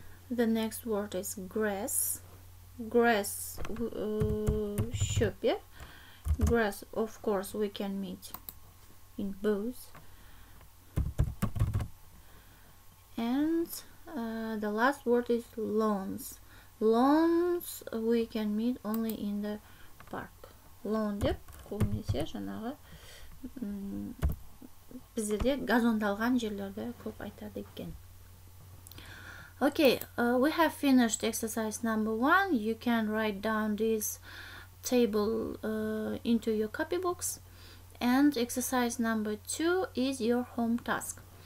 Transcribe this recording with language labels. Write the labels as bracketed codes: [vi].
[en] The next word is grass. Grass, of course, we can meet in both. And the last word is lawns. Lawns we can meet only in the park. [kk] Lawn деп көбінесе жаңағы біздерде газондалған жерлерді көп айтады екен. [en] Okay, we have finished exercise number one. You can write down this table into your copy books. And exercise number two is your home task.